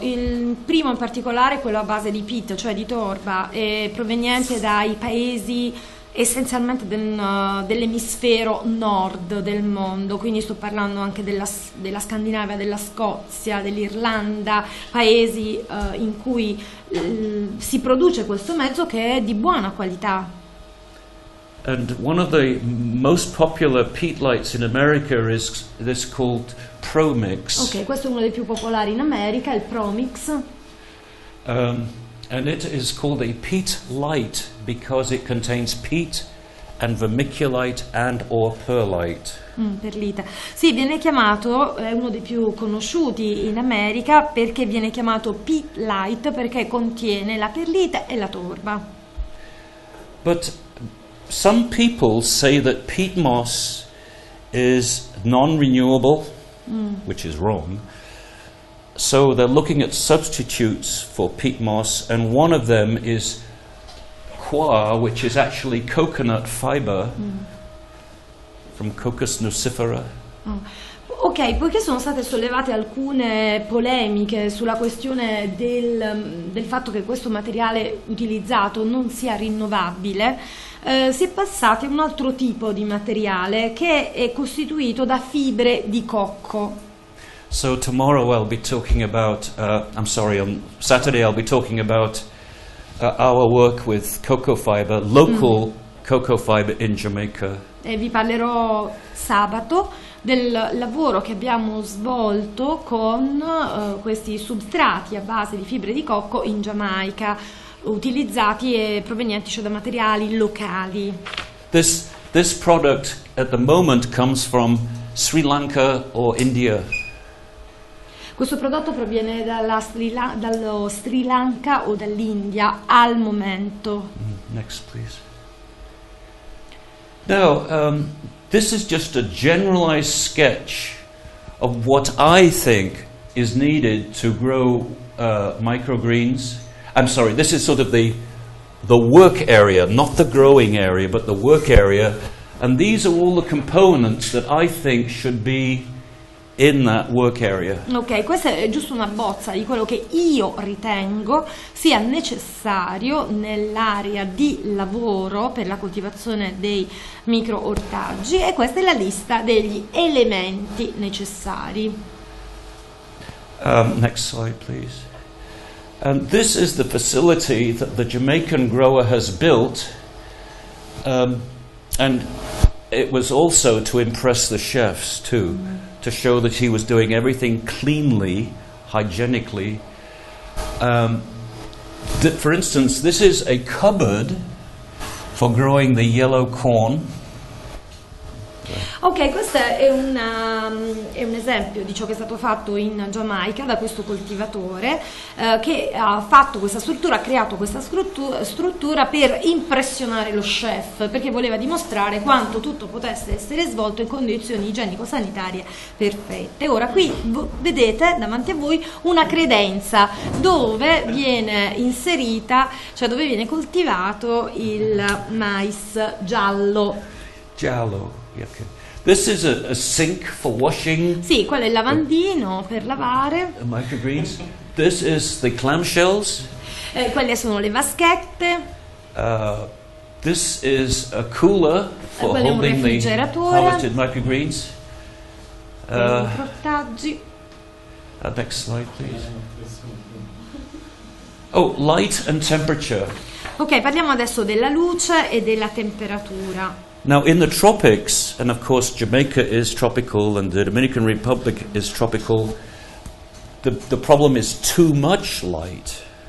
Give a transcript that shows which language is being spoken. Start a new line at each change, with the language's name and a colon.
Italian: Il primo in particolare è quello a base di peat, cioè di torba, è proveniente dai paesi essenzialmente dell'emisfero nord del mondo, quindi sto parlando anche della Scandinavia, della Scozia, dell'Irlanda, paesi in cui si produce questo mezzo che è di buona qualità.
English: And one of the most popular peat lights in America is this called Promix.
Italian: Ok, questo è uno dei più popolari in America, il Promix.
English: And it is called a peat light because it contains peat and vermiculite and or perlite.
Italian: Perlite. Sì, viene chiamato, è uno dei più conosciuti in America, perché viene chiamato peat light perché contiene la perlite e la torba.
English: But some people say that peat moss is non-renewable, which is wrong. So they're looking at substitutes for peat moss, and one of them is coir, which is actually coconut fiber from Coccus nucifera.
Italian: Ok, poiché sono state sollevate alcune polemiche sulla questione del fatto che questo materiale utilizzato non sia rinnovabile, si è passati a un altro tipo di materiale che è costituito da fibre di cocco.
English: So tomorrow I'll be talking about, on Saturday I'll be talking about our work with cocoa fiber, local cocoa fiber in Jamaica.
Italian: E vi parlerò sabato del lavoro che abbiamo svolto con questi substrati a base di fibre di cocco in Giamaica, utilizzati e provenienti cioè da materiali locali.
English: This product at the moment comes from Sri Lanka or India.
Italian: Questo prodotto proviene dallo Sri Lanka o dall'India al momento.
English: Next, please. Now, this is just a generalized sketch of what I think is needed to grow microgreens. I'm sorry, this is sort of the work area, not the growing area, but the work area. And these are all the components that I think should be in that work area.
Italian: Ok, questa è giusto una bozza di quello che io ritengo sia necessario nell'area di lavoro per la coltivazione dei microortaggi, e questa è la lista degli elementi necessari.
English: Next slide, please. And this is the facility that the Jamaican grower has built, and it was also to impress the chefs too, to show that he was doing everything cleanly, hygienically. For instance, this is a cupboard for growing the yellow corn.
Italian: Ok, questo è un esempio di ciò che è stato fatto in Giamaica da questo coltivatore, che ha fatto questa struttura, ha creato questa struttura per impressionare lo chef, perché voleva dimostrare quanto tutto potesse essere svolto in condizioni igienico-sanitarie perfette. Ora, qui vedete davanti a voi una credenza dove viene inserita, cioè dove viene coltivato il mais giallo. Giallo,
English: ok. This is a sink for washing.
Italian: Sì, quello è il lavandino per lavare.
English: The microgreens. This is the clamshells.
Italian: Quelle sono le vaschette.
English: This is a cooler for holding the harvested microgreens.
Italian: Ortaggi.
English: Next slide, please. Oh, light and temperature.
Italian: Ok, parliamo adesso della luce e della temperatura.
English: Now in the tropics, and of course Jamaica is tropical and the Dominican Republic is tropical, the problem is too much light.